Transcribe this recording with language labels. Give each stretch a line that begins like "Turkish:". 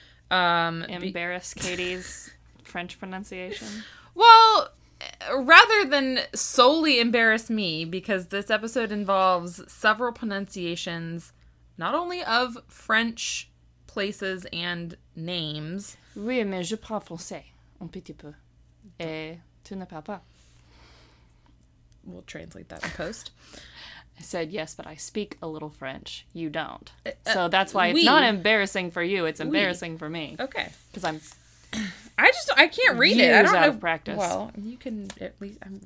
English: Embarrass Katie's French pronunciation? Well, rather than solely embarrass me, because this episode involves several pronunciations, not only of French places and names.
French: Oui, mais je parle français un petit peu. Et tu ne parles pas.
English: We'll translate that in post. I said, yes, but I speak a little French. You don't. So that's why it's not embarrassing for you. It's embarrassing for me. Okay. Because I'm... I can't read it. I don't know. Of practice. Well, you can at least...